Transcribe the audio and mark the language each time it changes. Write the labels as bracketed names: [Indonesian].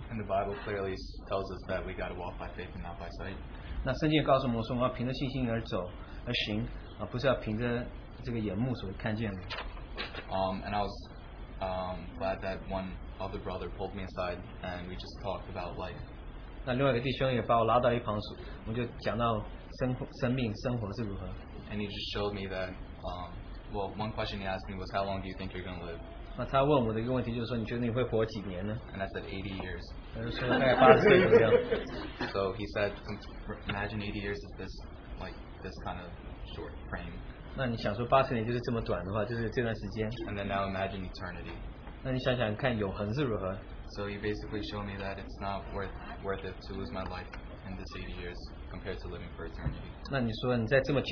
[English] And the Bible clearly tells us that we got to walk by faith and not by sight. [Chinese] 那圣经告诉我们说，我们要凭着信心而走，而行，不是要凭着这个眼目所看见的。 [English] And I was glad that one other brother pulled me aside and we just talked about life. [Chinese] 那另外一个弟兄也把我拉到一旁，我们就讲到生命、生活是如何。 [English] And he just showed me that, well, one question he asked me was, how long do you think you're going to live? [Chinese] 那他问我的一个问题就是说，你觉得你会活几年呢？ [English] And I said 80 years. [Chinese] 他就说大概80岁左右。 [English] So he said, imagine 80 years of this, like, this kind of short frame. [Chinese] 那你想说80年就是这么短的话，就是这段时间。 [English] And then now imagine eternity. [Chinese] 那你想想看永恒是如何? [English] So you basically show me that it's not worth it to lose my life in this 80 years compared to living for eternity.